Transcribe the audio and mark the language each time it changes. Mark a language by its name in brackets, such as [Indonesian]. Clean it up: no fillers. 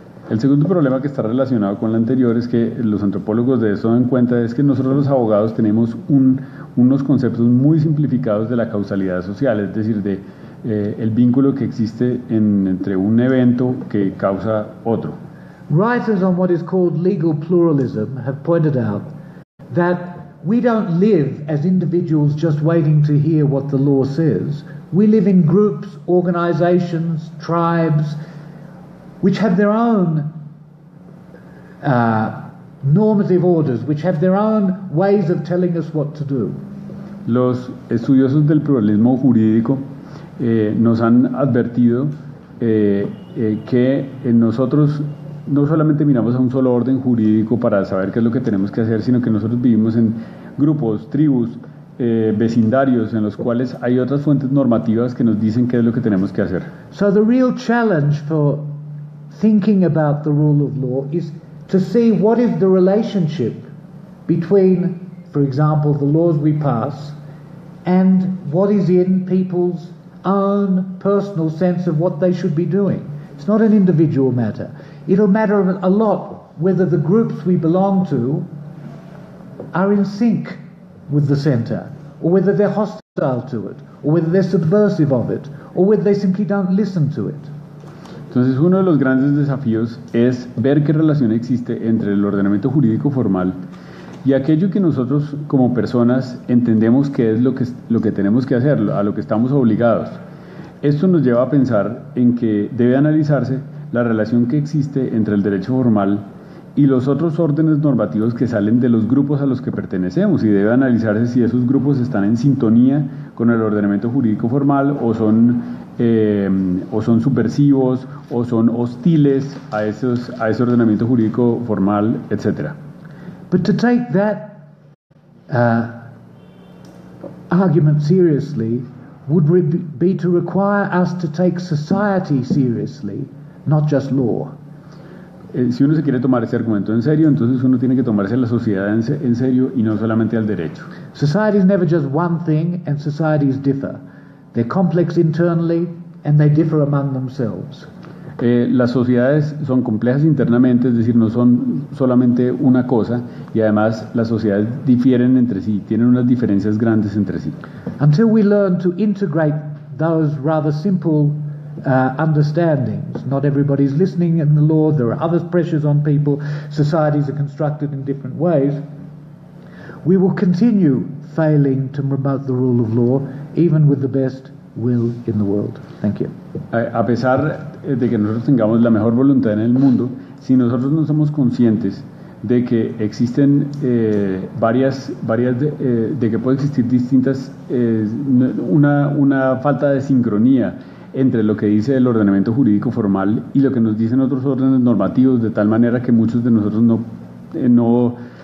[Spanish] El segundo problema que está relacionado con el anterior es que los antropólogos de eso dan cuenta es que nosotros los abogados tenemos unos conceptos muy simplificados de la causalidad social, es decir, de el vínculo que existe entre un evento que causa otro. [English] Writers on what is called legal pluralism have pointed out that we don't live as individuals just waiting to hear what the law says. We live in groups, organizations, tribes, which have their own normative orders, which have their own ways of telling us what to do. [Spanish] Los estudiosos del pluralismo jurídico nos han advertido que nosotros no solamente miramos a un solo orden jurídico para saber qué es lo que tenemos que hacer, sino que nosotros vivimos en grupos, tribus, vecindarios, en los cuales hay otras fuentes normativas que nos dicen qué es lo que tenemos que hacer. [English] So the real challenge for thinking about the rule of law is to see what is the relationship between, for example, the laws we pass and what is in people's own personal sense of what they should be doing. It's not an individual matter. It'll matter a lot whether the groups we belong to are in sync with the center, or whether they're hostile to it, or whether they're subversive of it, or whether they simply don't listen to it. [Spanish] Entonces, uno de los grandes desafíos es ver qué relación existe entre el ordenamiento jurídico formal y aquello que nosotros como personas entendemos que es lo que tenemos que hacer, a lo que estamos obligados. Esto nos lleva a pensar en que debe analizarse la relación que existe entre el derecho formal y los otros órdenes normativos que salen de los grupos a los que pertenecemos, y debe analizarse si esos grupos están en sintonía con el ordenamiento jurídico formal o son subversivos o son hostiles a ese ordenamiento jurídico formal, etc. [English] But to take that argument seriously would be to require us to take society seriously, not just law. [Spanish] Si uno se quiere tomar ese argumento en serio, entonces uno tiene que tomarse la sociedad en serio y no solamente al derecho. [English] Society is never just one thing, and societies differ. They're complex internally and they differ among themselves. [Spanish] Las sociedades son complejas internamente, es decir, no son solamente una cosa, y además las sociedades difieren entre sí, tienen unas diferencias grandes entre sí. [English] Until we learn to integrate those rather simple understandings. Not everybody's listening in the law, there are other pressures on people, societies are constructed in different ways. We will continue failing to promote the rule of law, even with the best will in the world. Thank you. [Spanish] A pesar de que nosotros tengamos la mejor voluntad en el mundo, si nosotros no somos conscientes de que existen de que puede existir distintas una falta de sincronía entre lo que dice el ordenamiento jurídico formal y lo que nos dicen otros órdenes normativos, de tal manera que muchos de nosotros no